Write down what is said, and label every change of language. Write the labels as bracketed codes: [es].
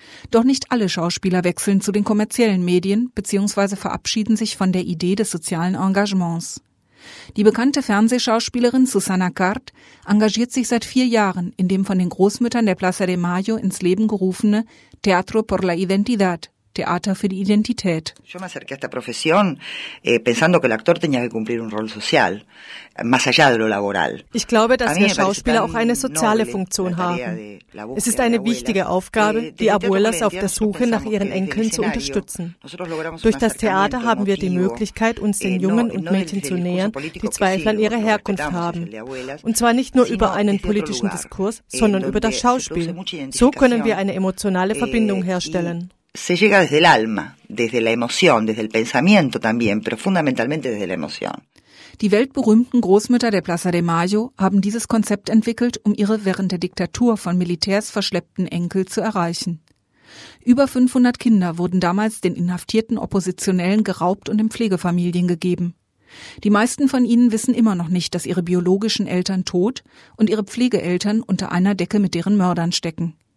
[de] Doch nicht alle Schauspieler wechseln zu den kommerziellen Medien bzw. verabschieden sich von der Idee des sozialen Engagements. Die bekannte Fernsehschauspielerin Susana Cart engagiert sich seit 4 Jahren in dem von den Großmüttern der Plaza de Mayo ins Leben gerufene Teatro por la Identidad, Theater für die Identität. [es] Yo me acerqué a esta profesión pensando que el actor tenía que cumplir un rol social, más allá de lo laboral. [de] Ich glaube, dass wir Schauspieler auch eine soziale Funktion haben. Es ist eine wichtige Aufgabe, die Abuelas auf der Suche nach ihren Enkeln zu unterstützen. Durch das Theater haben wir die Möglichkeit, uns den Jungen und Mädchen zu nähern, die Zweifel an ihrer Herkunft haben. Und zwar nicht nur über einen politischen Diskurs, sondern über das Schauspiel. So können wir eine emotionale Verbindung herstellen. [es] Se llega desde el alma, desde la emoción, desde el pensamiento también, pero fundamentalmente desde la emoción. [de] Die weltberühmten Großmütter der Plaza de Mayo haben dieses Konzept entwickelt, um ihre während der Diktatur von Militärs verschleppten Enkel zu erreichen. Über 500 Kinder wurden damals den inhaftierten Oppositionellen geraubt und in Pflegefamilien gegeben. Die meisten von ihnen wissen immer noch nicht, dass ihre biologischen Eltern tot und ihre Pflegeeltern unter einer Decke mit deren Mördern stecken.